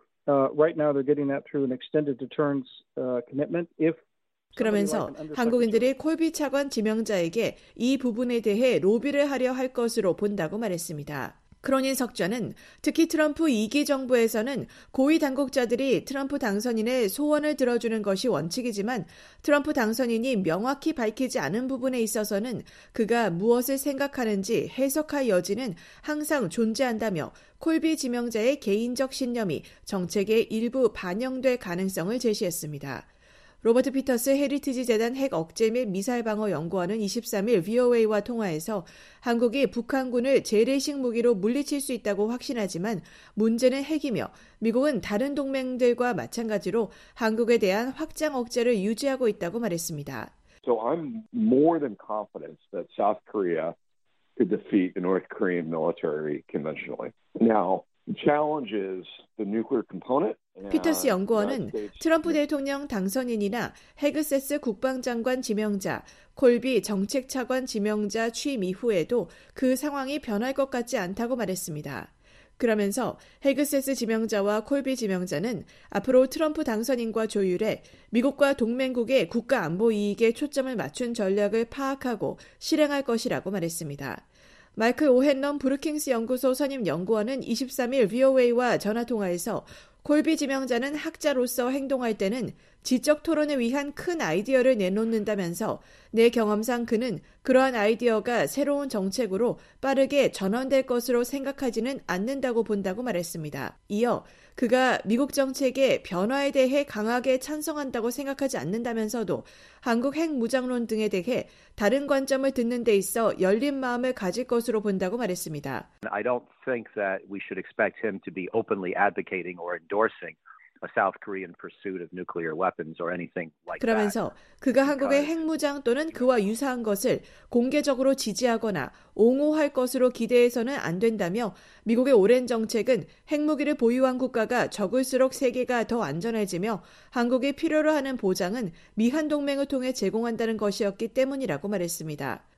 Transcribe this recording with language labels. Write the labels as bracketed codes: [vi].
[en] Right now they're getting that through an extended deterrence commitment. [ko] 그러면서 한국인들이 콜비 차관 지명자에게 이 부분에 대해 로비를 하려 할 것으로 본다고 말했습니다. 크로닌 석좌는 특히 트럼프 2기 정부에서는 고위 당국자들이 트럼프 당선인의 소원을 들어주는 것이 원칙이지만 트럼프 당선인이 명확히 밝히지 않은 부분에 있어서는 그가 무엇을 생각하는지 해석할 여지는 항상 존재한다며 콜비 지명자의 개인적 신념이 정책에 일부 반영될 가능성을 제시했습니다. 로버트 피터스 헤리티지 재단 핵 억제 및 미사일 방어 연구원은 23일 VOA와 통화해서 한국이 북한군을 재래식 무기로 물리칠 수 있다고 확신하지만 문제는 핵이며 미국은 다른 동맹들과 마찬가지로 한국에 대한 확장 억제를 유지하고 있다고 말했습니다. [en] So I'm more than confident that South Korea could defeat the North Korean military conventionally. Now, challenge is the nuclear component. [ko] 피터스 연구원은 트럼프 대통령 당선인이나 헤그세스 국방장관 지명자, 콜비 정책차관 지명자 취임 이후에도 그 상황이 변할 것 같지 않다고 말했습니다. 그러면서 헤그세스 지명자와 콜비 지명자는 앞으로 트럼프 당선인과 조율해 미국과 동맹국의 국가 안보 이익에 초점을 맞춘 전략을 파악하고 실행할 것이라고 말했습니다. 마이클 오헨넘 브루킹스 연구소 선임 연구원은 23일 VOA와 전화통화에서 콜비 지명자는 학자로서 행동할 때는 지적 토론을 위한 큰 아이디어를 내놓는다면서 내 경험상 그는 그러한 아이디어가 새로운 정책으로 빠르게 전환될 것으로 생각하지는 않는다고 본다고 말했습니다. 이어 그가 미국 정책의 변화에 대해 강하게 찬성한다고 생각하지 않는다면서도 한국 핵 무장론 등에 대해 다른 관점을 듣는 데 있어 열린 마음을 가질 것으로 본다고 말했습니다. [en] I don't think that we should expect him to be openly advocating or endorsing a South Korean pursuit of nuclear weapons or anything like that. [ko] 그러면서 그가 한국의 핵무장 또는 그와 유사한 것을 공개적으로 지지하거나 옹호할 것으로 기대해서는 안 된다며 미국의 오랜 정책은 핵무기를 보유한 국가가 적을수록 세계가 더 안전해지며 한국이 필요로 하는 보장은 미한동맹을 통해 제공한다는 것이었기 때문이라고 말했습니다.